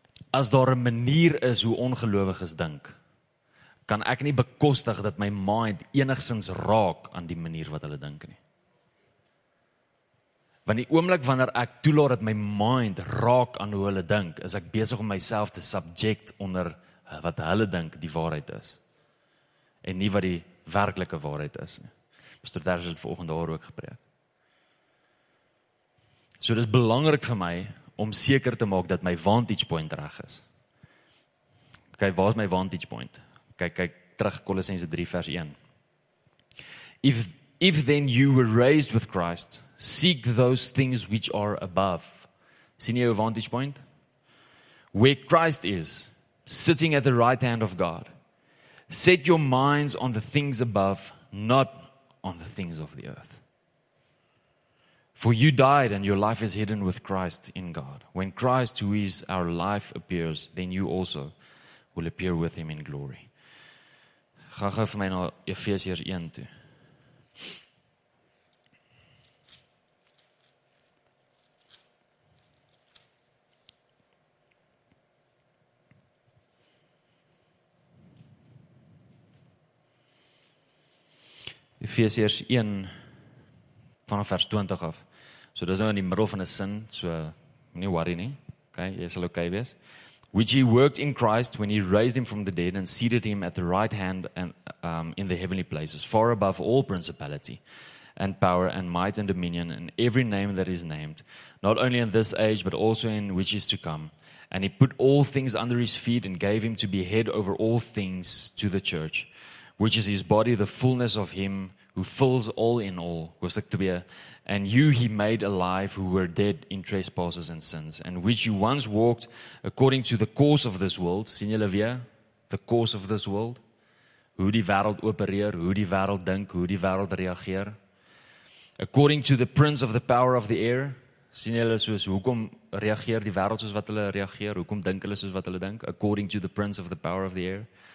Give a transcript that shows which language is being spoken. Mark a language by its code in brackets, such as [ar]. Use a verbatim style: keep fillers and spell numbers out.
[af] as daar 'n manier is hoe ongelowiges dink, kan ek nie bekostig dat my mind enigstens raak aan die manier wat hulle dink nie. Want die oomblik wanneer ek toelaat dat my mind raak aan hoe hulle dink, is ek besig om myself te subject onder wat hulle dink die waarheid is. En nie wat die werklike waarheid is nie. Pastor Ders het vanoggend daar ook gepreek. So dit is belangrik vir my om seker te maak dat my vantage point reg is. Kyk, waar is my vantage point? Kyk, kyk terug Kolossense drie vers een. [en] If If then you were raised with Christ, seek those things which are above. [af] Sien jy jou vantage point? [en] Where Christ is, sitting at the right hand of God. Set your minds on the things above, not on the things of the earth. For you died and your life is hidden with Christ in God. When Christ, who is our life, appears, then you also will appear with him in glory. [af] Ga gou vir my na Efesiërs een toe. Efesiërs een vanaf vers twintig af. So dis nou in die middel van 'n sin, so nie worry nie. Okay, jy sal okay wees. [en] Which he worked in Christ when he raised him from the dead and seated him at the right hand and um, in the heavenly places, far above all principality and power and might and dominion and every name that is named, not only in this age but also in which is to come. And he put all things under his feet and gave him to be head over all things to the church, which is his body, the fullness of him who fills all in all. And you he made alive who were dead in trespasses and sins, and which you once walked according to the course of this world. [af] Sien julle weer? [en] The course of this world. [af] Hoe die wêreld opereer, hoe die wêreld dink, hoe die wêreld reageer. [en] According to the prince of the power of the air. [af] Sien julle soos hoekom reageer die wêreld soos wat hulle reageer? Hoekom dink hulle soos wat hulle dink? [en] According to the prince of the power of the air.